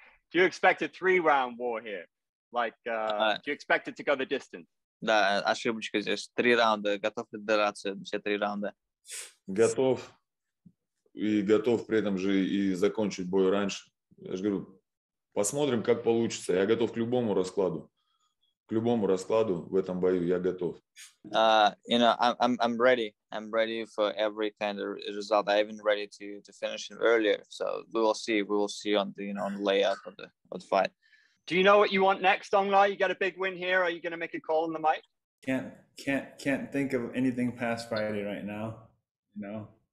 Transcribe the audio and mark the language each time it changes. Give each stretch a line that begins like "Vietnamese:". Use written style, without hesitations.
English: Do you expect a 3-round war here? Do you expect it to go the distance?
Russian: Да, ошибочка здесь. 3 раунда. Готов ли драться все 3 раунда? Готов. И готов при этом же и закончить бой раньше. Я же говорю, посмотрим, как получится. Я готов к любому раскладу. К любому раскладу в этом бою я готов.
English: You know, I'm ready. I'm ready for every kind of result. I even ready to finish it earlier. So we will see. We will see on the, you know, on the layout of the fight. Do you know what you want next, Aung La? You got a big win here. Are you going to make a call on the mic? Can't think of anything past Friday right now. You know?